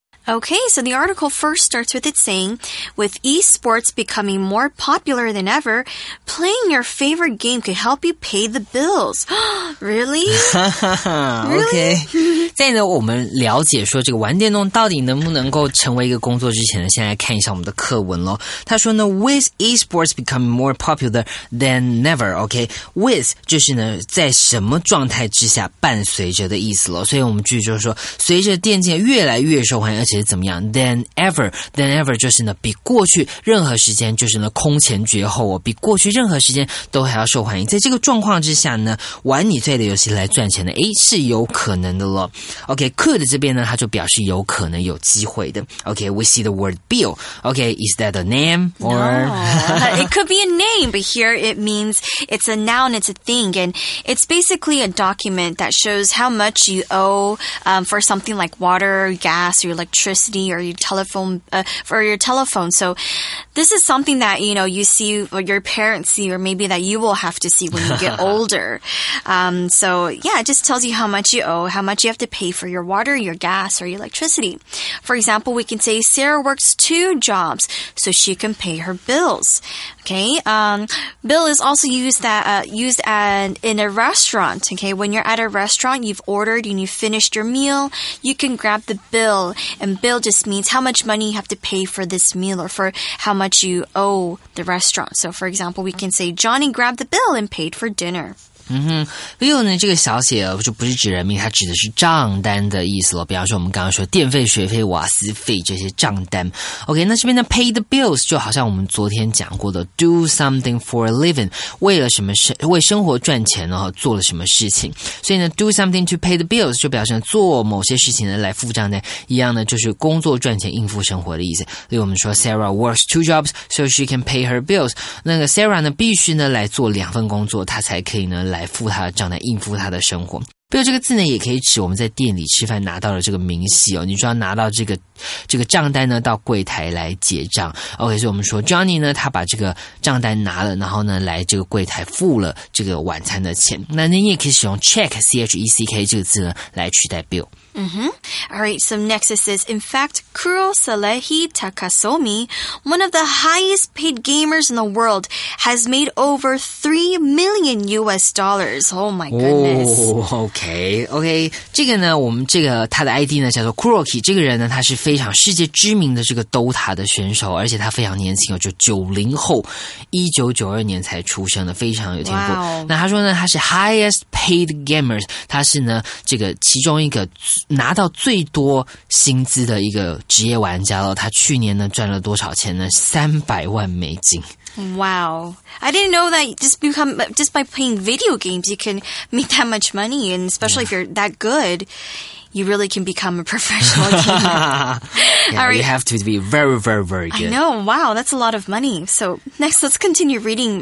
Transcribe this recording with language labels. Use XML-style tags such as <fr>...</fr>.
<en>Okay, so the article first starts with it saying, with esports becoming more popular than ever, playing your favorite game could help you pay the bills. Really? Okay.</en> <zh>在呢我们了解说这个玩电动到底能不能够成为一个工作之前呢，先来看一下我们的课文咯。他说呢</zh> <en>with esports becoming more popular than never, okay?</en> <zh>With 就是呢在什么状态之下伴随着的意思咯。所以我们继续就是说随着电竞越来越受欢迎，其实怎么样</zh> <en>than ever</en> <zh>就是呢比过去任何时间就是呢空前绝后哦，比过去任何时间都还要受欢迎，在这个状况之下呢玩你最爱的游戏来赚钱的，诶，是有可能的咯。 OK, could 这边呢它就表示有可能有机会的。</zh> <en>OK, we see the word bill. OK, is that a name? Or no, it could be a name, but here it means it's a noun, it's a thing, and it's basically a document that shows how much you owe for something like water, gas, or electricity or your telephone, for your telephone. So this is something that, you know, you see or your parents see or maybe that you will have to see when you get older. So yeah, it just tells you how much you owe, how much you have to pay for your water, your gas or your electricity. For example, we can say Sarah works two jobs so she can pay her bills. Okay. Bill is also used in a restaurant. Okay. When you're at a restaurant, you've ordered and you've finished your meal, you can grab the bill. And bill just means how much money you have to pay for this meal or for how much you owe the restaurant. So, for example, we can say Johnny grabbed the bill and paid for dinner.</en> <zh>Bill 呢这个小写就不是指人名，它指的是账单的意思了。比方说我们刚刚说电费、水费、瓦斯费这些账单。 OK, 那这边的</zh> <en>pay the bills</en> <zh>就好像我们昨天讲过的</zh> <en>do something for a living,</en> <zh>为了什么为生活赚钱呢做了什么事情。所以呢</zh> <en>do something to pay the bills</en> <zh>就表示做某些事情呢来付账单，一样呢就是工作赚钱应付生活的意思。例如我们说</zh> <en>Sarah works two jobs so she can pay her bills,</en> <zh>那个 Sarah 呢必须呢来做两份工作她才可以呢来付他的账单，应付他的生活。 bill 这个字呢也可以指我们在店里吃饭拿到了这个明细哦，你就要拿到这个账单呢到柜台来结账。 OK, 所以我们说 Johnny 呢他把这个账单拿了，然后呢来这个柜台付了这个晚餐的钱。那你也可以使用 check, C-H-E-C-K 这个字呢来取代 bill。 Mm-hmm.</zh> <en>All right, so next it says, in fact, Kuro Salehi Takasomi, one of the highest paid gamers in the world, has made over $3 million. Oh my goodness. Oh, okay.</en> <zh>Okay, 这个呢我们这个他的 ID 呢叫做 Kuroki, 这个人呢他是非常世界知名的这个 Dota 的选手，而且他非常年轻，就90后1992年才出生的，非常有天赋。</zh> <en>Wow.</en> <zh>那他说呢他是</zh> <en>highest paid gamers,</en> <zh>他是呢这个其中一个拿到最多薪资的一个职业玩家了，他去年呢赚了多少钱呢？</zh> <en>$3,000,000。 Wow, I didn't know that just by playing video games you can make that much money, and especially if you're that good, you really can become a professional gamer. Yeah, all right. You have to be very, very, very good. I know, wow, that's a lot of money. So next, let's continue reading.</en>